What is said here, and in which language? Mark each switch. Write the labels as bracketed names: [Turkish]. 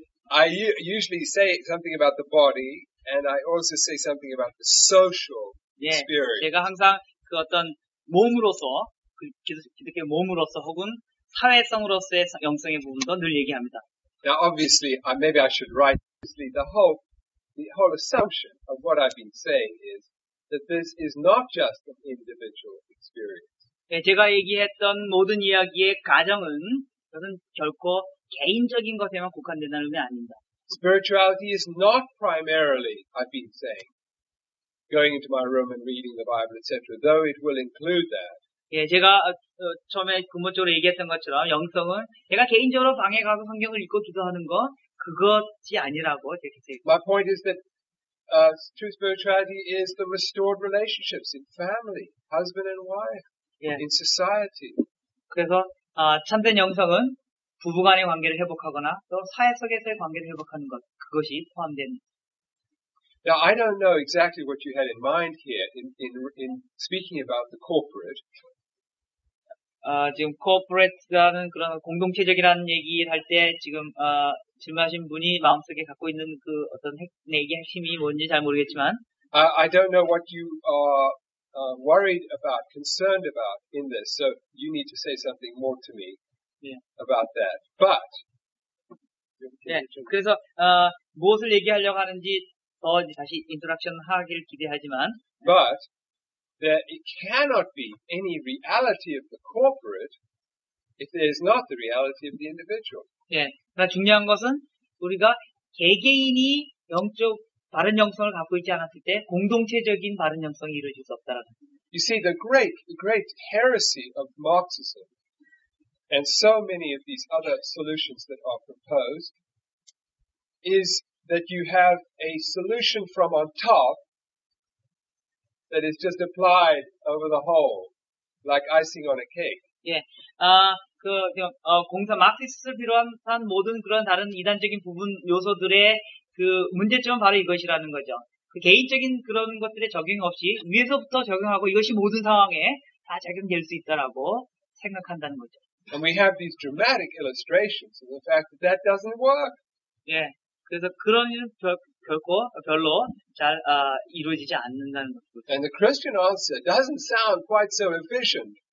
[English] I usually say something about the body, and I also say something about the social spirit. [Korean] 예, 제가 항상 그 어떤 몸으로서, 이렇게 몸으로서 혹은 사회성으로서의 영성의 부분도 늘 얘기합니다. [English] Now, obviously, maybe I should write obviously the whole assumption of what I've been saying is that this is not just an individual experience. [Korean] 예, 제가 얘기했던 모든 이야기의 가정은 그것은 결코 개인적인 것에만 국한된다는 의미 아닙니다. [English] Spirituality is not primarily, I've been saying, going into my room and reading the Bible, etc. Though it will include that. [Korean] 예, 제가 처음에 근본적으로 얘기했던 것처럼 영성은 제가 개인적으로 방에 가서 성경을 읽고 기도하는 거 그것이 아니라고 이렇게. [English] My point is that true spirituality is the restored relationships in family, husband and wife. Yeah. In society. [Korean] 그래서 참된 영성은 부부간의 관계를 회복하거나 또 사회 속에서의 관계를 회복하는 것 그것이 포함된. [English] Now I don't know exactly what you had in mind here in speaking about the corporate. [Korean] 지금 corporate라는 그런 공동체적이라는 얘기할 때 지금 질문하신 분이 마음속에 갖고 있는 그 어떤 얘기 핵심이 뭔지 잘 모르겠지만. [English] I don't know what you are. Worried about, concerned about in this, so you need to say something more to me yeah. about that. But, [Korean] 네, 그래서, 무엇을 얘기하려고 하는지 더 다시 인터랙션 하기를 기대하지만, [English] but, there it cannot be any reality of the corporate if there is not the reality of the individual. [Korean] 네, 그러니까 중요한 것은 우리가 개개인이 영적 바른 영성을 갖고 있지 않았을 때 공동체적인 바른 영성이 이루어질 수 없다라는 겁니다. [English] You see, the great heresy of Marxism and so many of these other solutions that are proposed is that you have a solution from on top that is just applied over the whole, like icing on a cake. Yeah. [Korean] 공사 마르크스를 비롯한 모든 그런 다른 이단적인 부분 요소들의 그 문제점은 바로 이것이라는 거죠. 그 개인적인 그런 것들의 적용 없이 위에서부터 적용하고 이것이 모든 상황에 다 적용될 수 있다라고 생각한다는 거죠. [English] And we have these dramatic illustrations of the fact that that doesn't work. [Korean] 예. 그래서 그런 일은 별로 잘 이루어지지 않는다는 것입니다. [English] And the Christian answer doesn't sound quite so efficient.